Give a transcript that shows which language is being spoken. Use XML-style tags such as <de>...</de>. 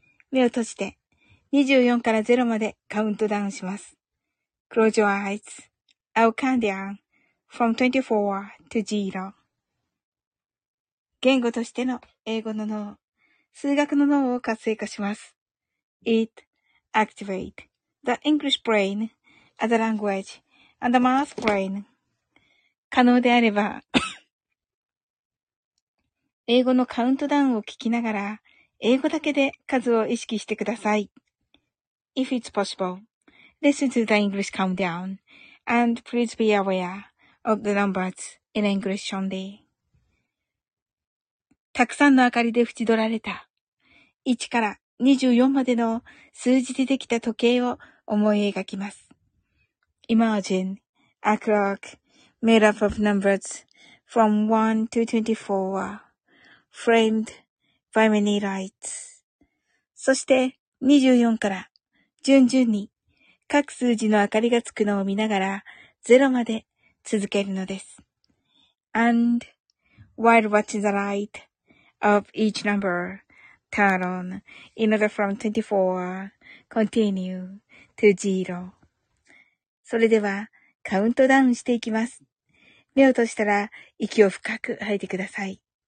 <ja>目を閉じて24から0までカウントダウンします。</ja> <en>Close your eyes. I'll count down from 24 to 0.</en> <ja>言語としての英語の脳、数学の脳を活性化します。</ja> <en>It activate. The English brain, as a language, and the math brain.</en> <ja>可能であれば英語のカウントダウンを聞きながら英語だけで数を意識してください。</ja> <en>If it's possible, listen to the English countdown and please be aware of the numbers in English only.</en> <ja>たくさんの明かりで縁取られた1から24までの数字でできた時計を思い描きます。</ja> <en>Imagine a clock made up of numbers from 1 to 24 framed by many lights.</en> <ja>そして24から順々に各数字の明かりがつくのを見ながら0まで続けるのです。</ja> <en>And while watching the light of each number turn on in order from 24 continue. To zero.</en> <ja>それではカウントダウンしていきます。目を閉じたら息を深く吐いてください。</ja>